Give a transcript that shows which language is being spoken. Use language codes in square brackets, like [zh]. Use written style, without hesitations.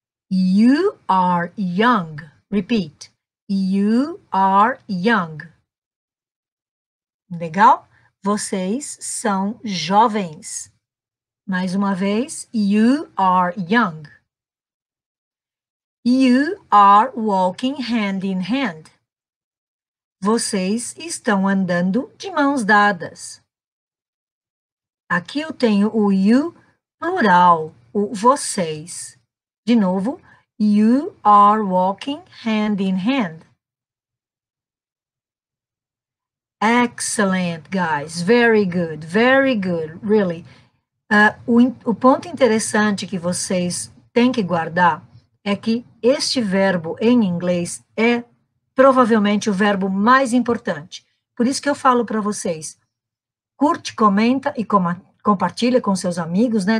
[en] You are young. Repeat. You are young. Legal? [pt] Vocês são jovens. Mais uma vez, [en] you are young. You are walking hand in hand. [pt] Vocês estão andando de mãos dadas. Aqui eu tenho o you plural, o vocês. De novo, [en] you are walking hand in hand. Excellent, guys. Very good, very good, really. [pt] O ponto interessante que vocês têm que guardar é que este verbo em inglês é provavelmente o verbo mais importante. Por isso que eu falo para vocês, curte, comenta e compartilha com seus amigos, né?